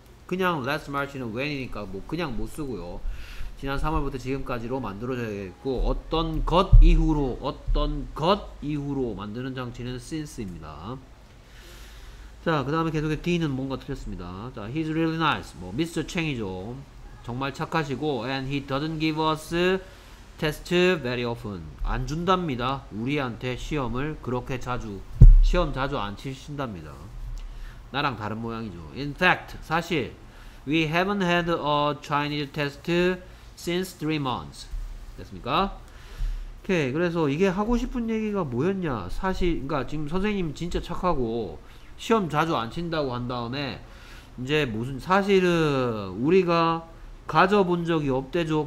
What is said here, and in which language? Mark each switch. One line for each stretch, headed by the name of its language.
Korean: 그냥
English: last March
Korean: 는 when이니까 뭐 그냥 못 쓰고요. 지난 3월부터 지금까지로 만들어져야겠고 어떤 것 이후로 어떤 것 이후로 만드는 장치는 since입니다. 자, 그 다음에 계속해 D는 뭔가 틀렸습니다.
English: 자, he's really nice. 뭐 Mr. Chang이죠.
Korean: 정말 착하시고
English: and he doesn't give us test very often.
Korean: 안 준답니다. 우리한테 시험을 그렇게 자주 시험 자주 안 치신답니다. 나랑 다른 모양이죠.
English: In fact,
Korean: 사실
English: we haven't had a Chinese test since 3 months.
Korean: 됐습니까? 오케이. 그래서 이게 하고 싶은 얘기가 뭐였냐? 사실 그러니까 지금 선생님 진짜 착하고 시험 자주 안 친다고 한 다음에 이제 무슨 사실은 우리가 가져본 적이 없대죠.